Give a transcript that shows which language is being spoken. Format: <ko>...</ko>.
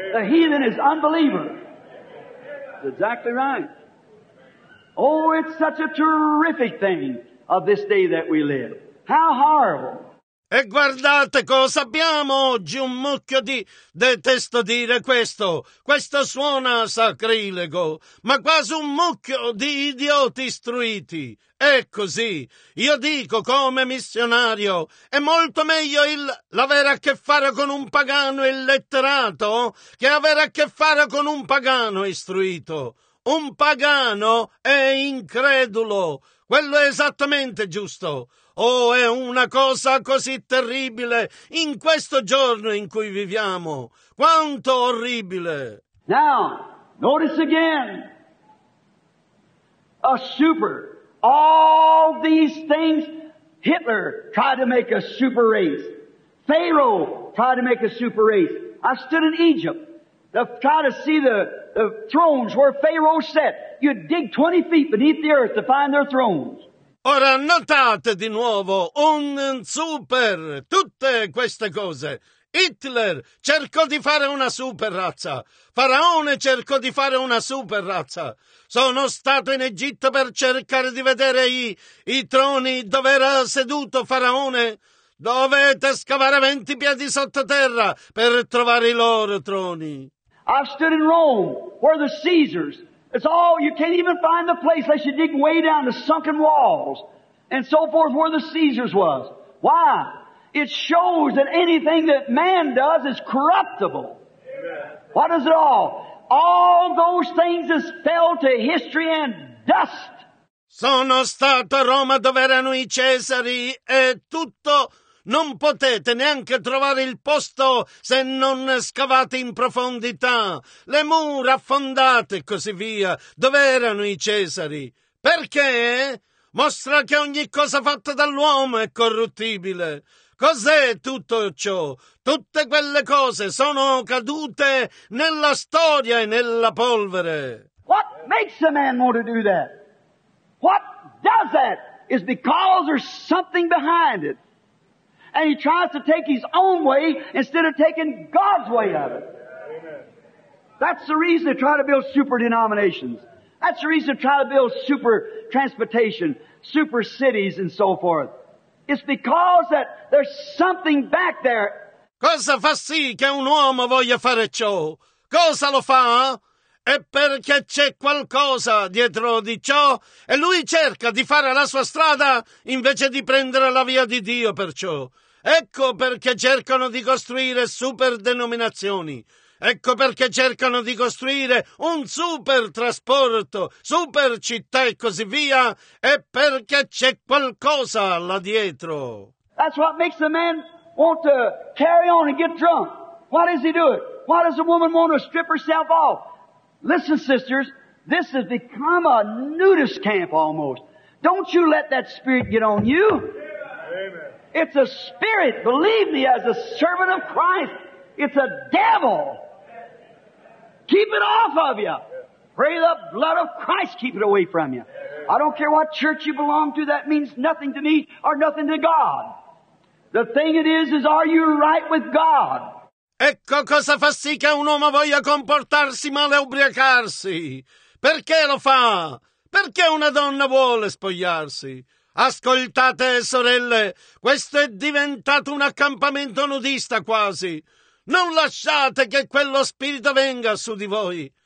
<en>The heathen is unbeliever. That's exactly right. Oh, it's such a terrific thing of this day that we live. How horrible.</en> <it>E guardate cosa abbiamo oggi, un mucchio di... Detesto dire questo, questo suona sacrilego, ma quasi un mucchio di idioti istruiti. È così, io dico come missionario, è molto meglio l'avere a che fare con un pagano illetterato che avere a che fare con un pagano istruito. Un pagano è incredulo, quello è esattamente giusto. Oh, è una cosa così terribile in questo giorno in cui viviamo. Quanto orribile!</it> <en>Now, notice again. A super. All these things. Hitler tried to make a super race. Pharaoh tried to make a super race. I stood in Egypt to try to see the thrones where Pharaoh sat. You'd dig 20 feet beneath the earth to find their thrones.</en> <it>Ora notate di nuovo un super, tutte queste cose. Hitler cercò di fare una super razza. Faraone cercò di fare una super razza. Sono stato in Egitto per cercare di vedere i troni dove era seduto Faraone. Dovete scavare 20 piedi sottoterra per trovare i loro troni.</it> <en>I've stood in Rome, where the Caesars. It's all, you can't even find the place unless you dig way down the sunken walls and so forth where the Caesars was. Why? It shows that anything that man does is corruptible. Amen. What is it all? All those things is fell to history and dust.</en> <it>Sono stato a Roma dove erano i Cesari e tutto. Non potete neanche trovare il posto se non scavate in profondità, le mura affondate e così via. Dove erano i Cesari? Perché? Mostra che ogni cosa fatta dall'uomo è corruttibile. Cos'è tutto ciò? Tutte quelle cose sono cadute nella storia e nella polvere.</it> <en>What makes a man want to do that? What does that? Is because there's something behind it. And he tries to take his own way instead of taking God's way of it. Amen. That's the reason to try to build super denominations. That's the reason to try to build super transportation, super cities and so forth. It's because that there's something back there.</en> <it>Cosa fa sì che un uomo voglia fare ciò? Cosa lo fa? È perché c'è qualcosa dietro di ciò e lui cerca di fare la sua strada invece di prendere la via di Dio per ciò. Ecco perché cercano di costruire super denominazioni. Ecco perché cercano di costruire un super trasporto, super città e così via. È perché c'è qualcosa là dietro.</it> <en>That's what makes a man want to carry on and get drunk. Why does he do it? Why does a woman want to strip herself off? Listen, sisters, this has become a nudist camp almost. Don't you let that spirit get on you. Amen. It's a spirit, believe me, as a servant of Christ. It's a devil. Keep it off of you. Pray the blood of Christ keep it away from you. I don't care what church you belong to, that means nothing to me or nothing to God. The thing it is are you right with God?</en> <it>Ecco cosa fa sì che un uomo voglia comportarsi male e ubriacarsi. Perché lo fa? Perché una donna vuole spogliarsi? Ascoltate, sorelle, questo è diventato un accampamento nudista quasi. Non lasciate che quello spirito venga su di voi.</it>